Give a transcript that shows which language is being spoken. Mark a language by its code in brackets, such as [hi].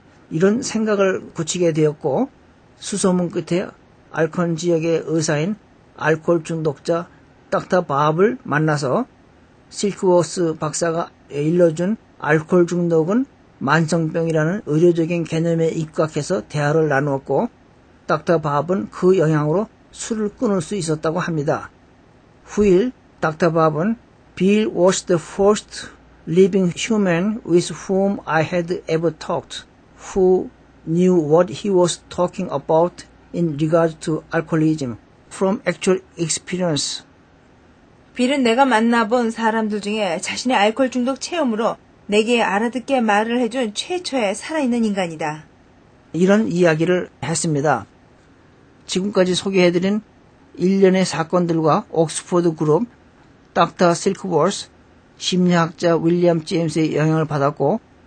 [ko] 이런 생각을 굳히게 되었고 수소문 끝에 알콘 지역의 의사인 알코올 중독자 닥터 밥을 만나서 실크워스 박사가 일러준 알코올 중독은 만성병이라는 의료적인 개념에 입각해서 대화를 나누었고 닥터 밥은 그 영향으로 술을 끊을 수 있었다고 합니다. [en] 후일 닥터 밥은 Bill was the first living human with whom I had ever talked who knew what he was talking about in regard to alcoholism from actual experience. [ko] 빌은 내가 만나본 사람들 중에 자신의 알코올 중독 체험으로 내게 알아듣게 말을 해준 최초의 살아있는 인간이다. 이런 이야기를 했습니다. 지금까지 소개해드린 일련의 사건들과 옥스퍼드 그룹, 닥터 실크워스, 심리학자 윌리엄 제임스의 영향을 받았고